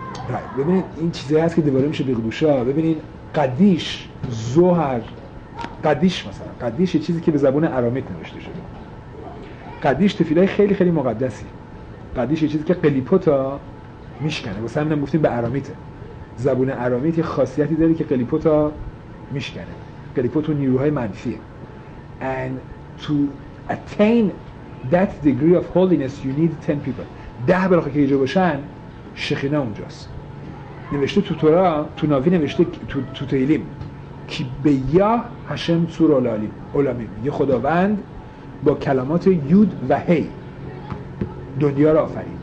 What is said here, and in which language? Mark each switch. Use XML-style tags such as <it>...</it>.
<fa>رای ببینید این چیزی هست که دوباره میشه بگوشا. ببینید قدیش زهر قدیش مثلا قدیش چیزی که به زبان ارامیت نوشته شده. قدیش تفیلای خیلی خیلی مقدسی. قدیش چیزی که قلیپوتا میشکنه. واسه همین گفتیم به ارامیته. زبان ارامیت یه خاصیتی داره که قلیپوتا میشکنه. قلیپوتا نیروهای منفیه.</fa> <en>And to attain that degree of holiness you need 10 people.</en> <fa>ده برخه که اینجا باشن شخینه اونجاست. نوشته تو تورا تو ناوی نوشته تو تهیلیم کی به یا هشم صور اولامیم، یه خداوند با کلمات یود و هی دنیا را آفرید.</fa>